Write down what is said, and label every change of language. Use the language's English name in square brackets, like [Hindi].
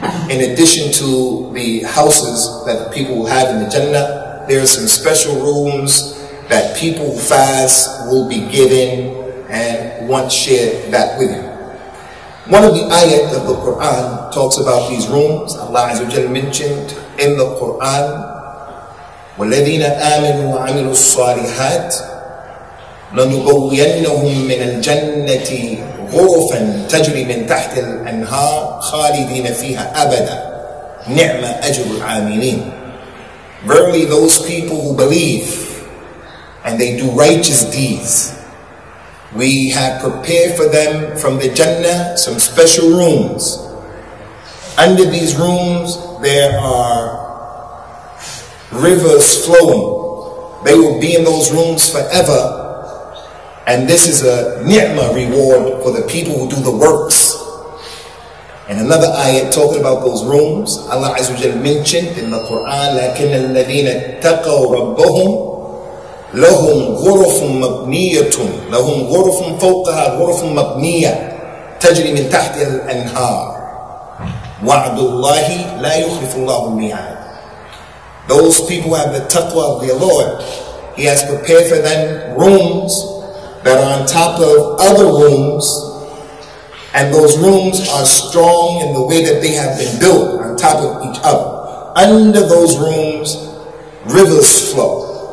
[English] In addition to the houses that people will have in the Jannah, there are some special rooms that people who fast will be given and once shared that with you. One of the ayat of the Quran talks about these rooms. Allah Azza wa Jalla mentioned in the Quran, [Arabic] وَالَّذِينَ آمَنُوا وَعَمِلُوا الصَّالِحَاتِ لَنُبَوِّيَنَّهُمْ مِنَ الْجَنَّةِ غُرُفًا تَجْرِي مِنْ تَحْتِ الْأَنْهَارِ خَالِدِينَ فِيهَا أَبَدًا نِعْمَ أَجْرُ الْعَامِلِينَ. [English] Verily those people who believe and they do righteous deeds, we have prepared for them from the Jannah some special rooms. Under these rooms there are rivers flowing. They will be in those rooms forever. And this is a ni'mah reward for the people who do the works. And another ayat talking about those rooms, Allah Azza wa Jalla mentioned in the Quran, [Arabic] لَكِنَّ الَّذِينَ اتَّقَوْا رَبَّهُمْ لَهُمْ غُرُفٌ مَبْنِيَةٌ لَهُمْ غُرُفٌ فَوْقَهَا غُرُفٌ مَبْنِيَةٌ تَجْرِي مِنْ تَحْتِ الْأَنْهَارِ وَعْدُ اللَّهِ لَا يُخْلِفُ اللَّهُ الْمِيعَادَ. [English] Those people who have the taqwa of their Lord, He has prepared for them rooms that are on top of other rooms, and those rooms are strong in the way that they have been built on top of each other. Under those rooms, rivers flow.